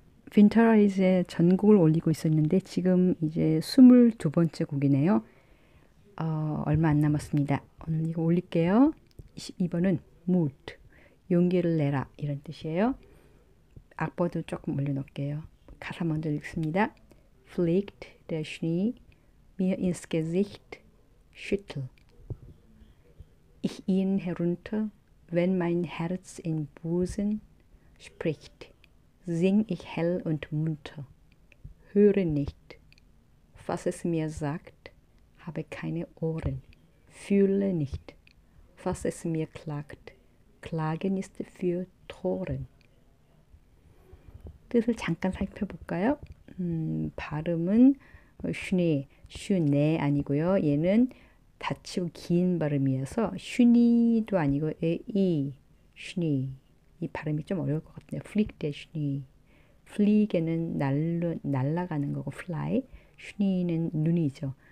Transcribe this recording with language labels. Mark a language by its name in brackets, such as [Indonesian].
[Korean] 빈터라이즈의 전곡을 올리고 있었는데 지금 이제 22번째 곡이네요. 얼마 안 남았습니다. 오늘 이거 올릴게요. 2번은 Mut, 용기를 내라 이런 뜻이에요. 악보도 조금 올려놓을게요. 가사 먼저 읽습니다. [German] Fliegt der Schnee mir ins Gesicht, schüttelt. Ich ihn herunter, wenn mein Herz im Busen spricht. Sing ich hell und munter, höre nicht, was es mir sagt, habe keine Ohren, fühle nicht, was es mir klagt, Klagen ist für Toren. [Korean] 뜻을 잠깐 살펴볼까요? 발음은 슈네, 슈네 아니고요. 얘는 다치고 긴 발음이어서 슈니도 아니고 에이, 슈니. 이 발음이 좀 어려울 것 같네요. 플릭 대슈니. 플릭에는 날아가는 거고 플라이, 슈니는 눈이죠.